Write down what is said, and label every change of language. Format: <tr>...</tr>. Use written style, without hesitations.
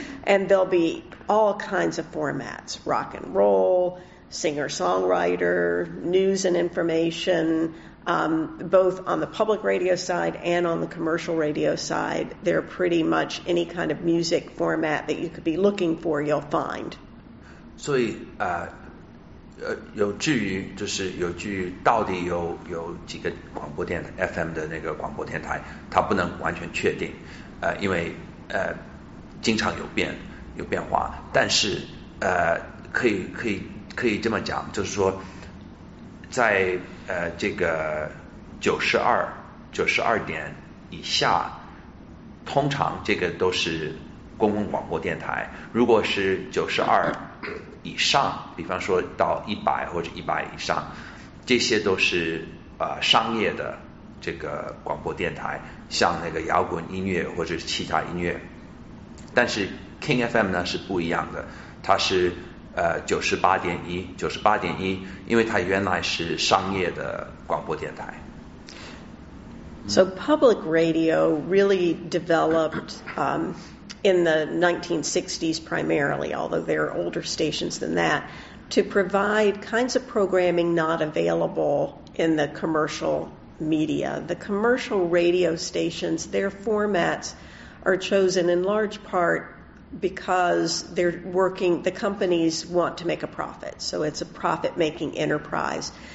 <en>And there'll be all kinds of formats, rock and roll, singer-songwriter, news and information, both on the public radio side and on the commercial radio side. They're pretty much any kind of music format that you could be looking for, you'll find.</en> <zh>So, 有至于到底有几个广播电台 FM 的那个广播电台它不能完全确定，因为经常有变化，但是可以这么讲，就是说在92点以下通常这个都是公共广播电台，如果是92 以上，比方说到100或者100以上，这些都是商业的这个广播电台，像那个摇滚音乐或者其他音乐。但是 King FM 呢是不一样的，它是98.1，98.1，因为它原来是商业的广播电台。So</zh> <en>public radio really developed in the 1960s primarily, although there are older stations than that, to provide kinds of programming not available in the commercial media. The commercial radio stations, their formats are chosen in large part because they're working, the companies want to make a profit, so it's a profit-making enterprise.</en>